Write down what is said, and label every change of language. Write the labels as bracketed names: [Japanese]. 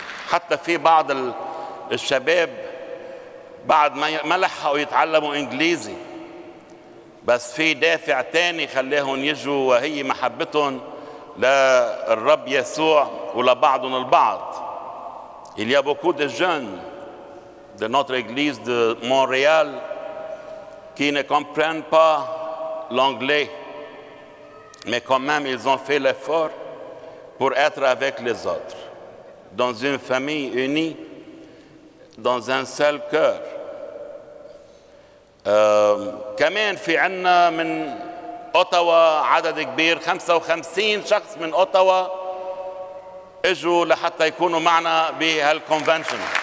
[Arabic] حتى في بعض الشباب بعد ما لحقوا يتعلموا انجليزي بس في دافع تاني خلاهم يجوا وهي محبتهم للرب يسوع ولبعضهم البعض. [French] Il y a beaucoup de jeunes de notre église de Montréal qui ne comprennent pas l'anglais, mais quand même ils ont fait l'effort pour être avec les autres, dans une famille unie, dans un seul cœur. [Arabic] كمان في عنا من أوتاوا عدد كبير 55 شخص من أوتاوا اجوا لحتى يكونوا معنا بهالكونفنشن.